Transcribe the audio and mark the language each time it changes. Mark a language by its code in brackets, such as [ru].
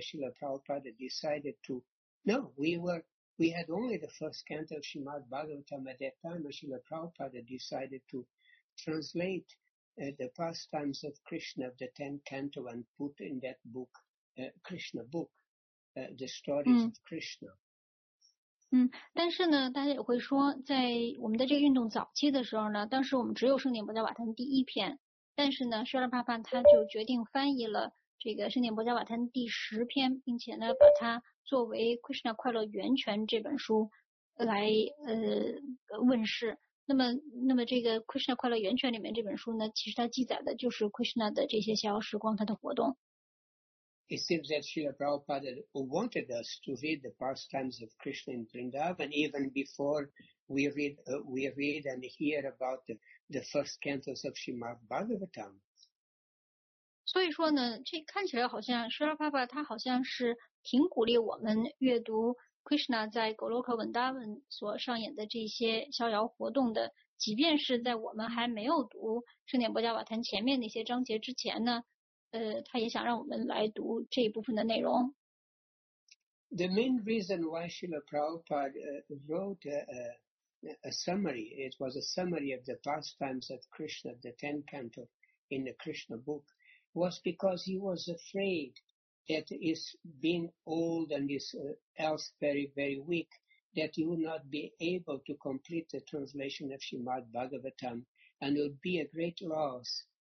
[en] Srila Prabhupada decided to, no, we had only the first canto of Srimad Bhagavatam at that time. Srila Prabhupada decided to translate the pastimes of Krishna of the 10th canto and put in that book, Krishna book, the stories of Krishna. [zh] 但是呢，大家也会说，在我们的这个运动早期的时候呢，当时我们只有圣典波迦瓦坛第一篇，但是呢，舍勒帕帕他就决定翻译了这个圣典波迦瓦坛第十篇，并且呢，把它作为《Krishna 快乐源泉》这本书来问世。那么这个《Krishna 快乐源泉》里面这本书呢，其实它记载的就是 Krishna 的这些逍遥时光，它的活动。 [en] It seems that Srila Prabhupada wanted us to read the pastimes of Krishna in Vrindavan even before we read and hear about the first cantos of Srimad Bhagavatam. [zh] 所以说呢，这看起来好像 Srila Prabhupada 他好像是挺鼓励我们阅读 Krishna 在 Goloka Vrindavan 所上演的这些逍遥活动的，即便是在我们还没有读圣典波迦瓦坛前面那些章节之前呢。他也想让我们来读这一部分的内容。 [en] The main reason why Srila Prabhupada wrote a summary, it was a summary of the pastimes of Krishna, the 10th canto in the Krishna book, was because he was afraid that his being old and his health very, very weak, that he would not be able to complete the translation of Srimad Bhagavatam, and it would be a great loss.